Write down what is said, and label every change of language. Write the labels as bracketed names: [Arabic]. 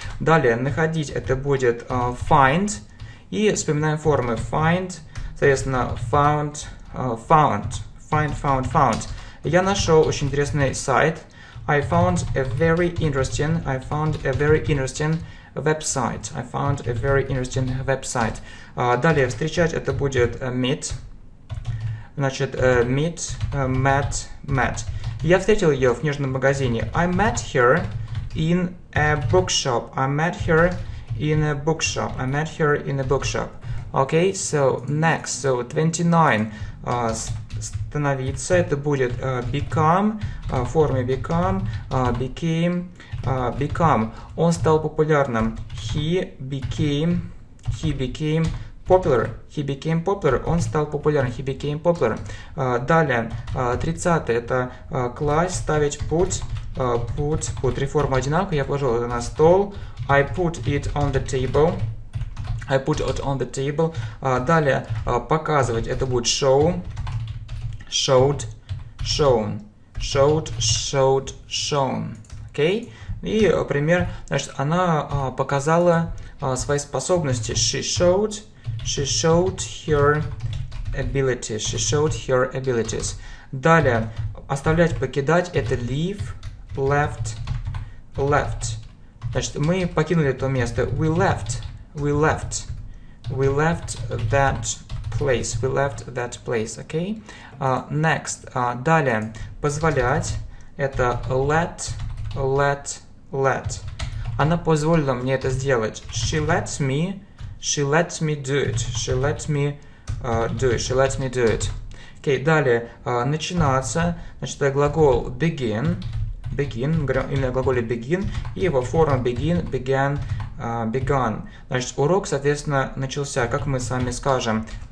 [Russian] Далее, находить, это будет find. И вспоминаем формы find. [English] Соответственно, found, found. Find, found, found. [Russian] Я нашел очень интересный сайт. [English] I found a very interesting. I found a very interesting website. I found a very interesting website. [Russian] Далее встречать это будет meet. [English] Значит, meet, met, met. [Russian] Я встретил ее в книжном магазине. [English] I met her in a bookshop. I met her in a bookshop. I met her in a bookshop. Okay, so next. So 29. [Russian] Становиться, это будет become, форме become, became, become. Он стал популярным. [English] He became popular. He became popular. [Russian] Он стал популярным. [English] He became popular. [Russian] Далее, 30-е, это класть, ставить put, put, put. Реформа одинаковая, я положил это на стол. [English] I put it on the table. I put it on the table. [Russian] Далее, показывать, это будет show. [English] Showed, shown, showed, showed, shown. [Russian] Окей? [English] Okay? [Russian] И пример, значит, она показала свои способности. [English] She showed her abilities, she showed her abilities. [Russian] Далее, оставлять, покидать, это leave, left, left. Значит, мы покинули то место. [English] We left, we left, we left that place, we left that place, okay? Next, [Russian] далее, позволять, это [English] let, let, let. [Russian] Она позволила мне это сделать. [English] She let me do it, she let me do it, she let me do it. [Russian] Okay, далее, начинаться, значит, это глагол begin, begin, именно глаголе begin, и его форма begin, began, begun. Значит, урок, соответственно, начался, как мы с вами скажем.